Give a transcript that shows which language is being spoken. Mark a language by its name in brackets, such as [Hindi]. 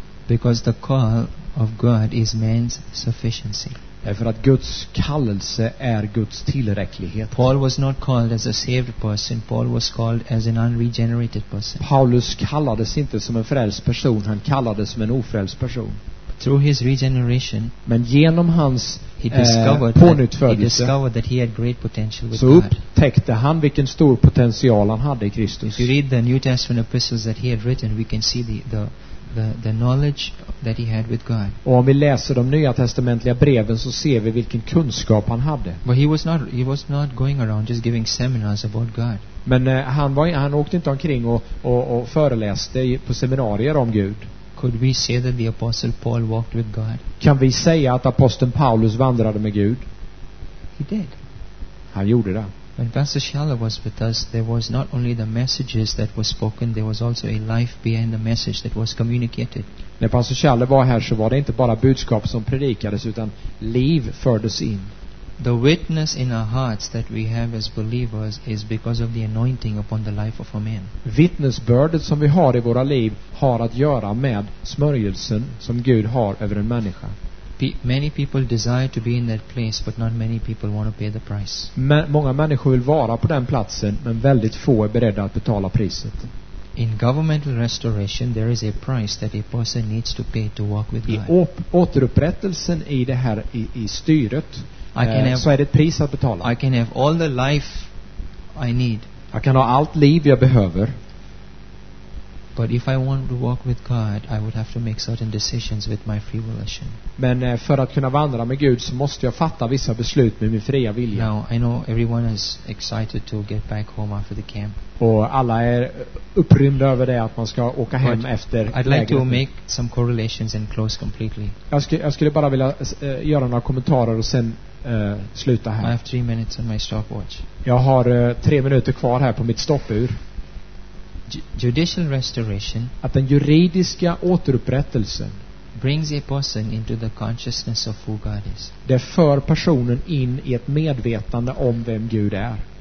[English] Because the call of God is man's sufficiency. [Swedish] Därför att Guds kallelse är Guds tillräcklighet. [English] Paul was not called as a saved person. Paul was called as an unregenerated person. [Swedish] Paulus kallades inte som en frälst person. Han kallades som en ofrälst person. [English] Through his regeneration, [Swedish] men genom hans pånyttfödelse så upptäckte han vilken stor potential han hade i Kristus. [English] If you read the New Testament epistles that he had written, we can see the knowledge that he had with God. [Swedish] Och om vi läser de nya testamentliga breven så ser vi vilken kunskap han hade. [English] But he was not going around just giving seminars about God. [Swedish] Men han åkte inte omkring och föreläste på seminarier om Gud. [English] Could we say that the apostle Paul walked with God? [Swedish] Kan vi säga att aposteln Paulus vandrade med Gud? [English] He did. [Swedish] Han gjorde det. [English] When Pastor Schaller was with us, there was not only the messages that were spoken, there was also a life behind the message that was communicated. [Swedish] När Pastor Schaller var här så var det inte bara budskap som predikades utan liv fördes in. [English] The witness in our hearts that we have as believers is because of the anointing upon the life of a man. [Swedish] Vittnesbördet som vi har i våra liv har att göra med smörjelsen som Gud har över en människa. [English] Many people desire to be in that place, but not many people want to pay the price. [Swedish] Många människor vill vara på den platsen, men väldigt få är beredda att betala priset. [English] In governmental restoration, there is a price that a person needs to pay to walk with God. [Swedish] I återupprättelsen i det här i styret, så är det ett pris att betala. [English] I can have all the life I need. [Swedish] Jag kan ha allt liv jag behöver. [English] But if I want to walk with God, I would have to make certain decisions with my free volition. [Swedish] Men för att kunna vandra med Gud så måste jag fatta vissa beslut med min fria vilja. [English] Now, I know everyone is excited to get back home after the camp. [Swedish] Och alla är upprymda över det att man ska åka [English] but [Swedish] hem efter [English] I'd like to make some correlations and close completely. [Swedish] Jag skulle bara vilja göra några kommentarer och sen sluta här. [English] I have 3 minutes on my stopwatch. [Swedish] Jag har 3 minuter kvar här på mitt stoppur. [English] Judicial restoration, [Swedish] att den juridiska återupprättelsen, [English] brings a person into the consciousness of who God is. [Swedish] Det för personen in i ett medvetande om vem Gud är.